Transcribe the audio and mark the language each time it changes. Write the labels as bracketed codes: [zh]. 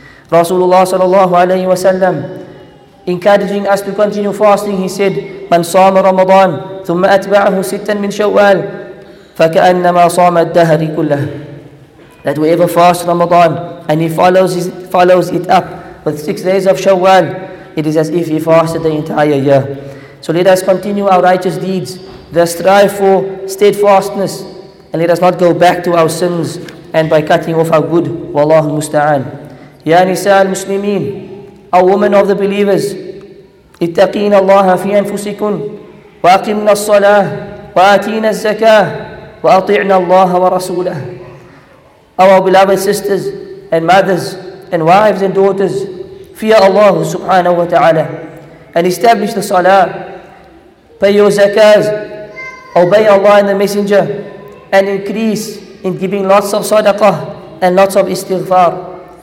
[en] Rasulullah sallallahu alayhi wa sallam, encouraging us to continue fasting, he said, [ar] من صام رمضان ثم أتبعه ستا من شوال فكأنما صام الدهر كله. [en] That whoever fasts Ramadan and he follows it up with 6 days of Shawwal, it is as if he fasted the entire year. So let us continue our righteous deeds, the strive for steadfastness, and let us not go back to our sins and by cutting off our good. Wallahu musta'an. [ar] Ya Nisa al-Muslimin, [en] O woman of the believers, [ar] اتقين الله في أنفسكن وأقمنا الصلاة وآتينا الزكاة وأطيعنا الله ورسوله. [en] Our beloved sisters and mothers and wives and daughters, fear Allah subhanahu wa ta'ala and establish the salah, pay your zakahs, obey Allah and the Messenger, and increase in giving lots of sadaqah and lots of istighfar.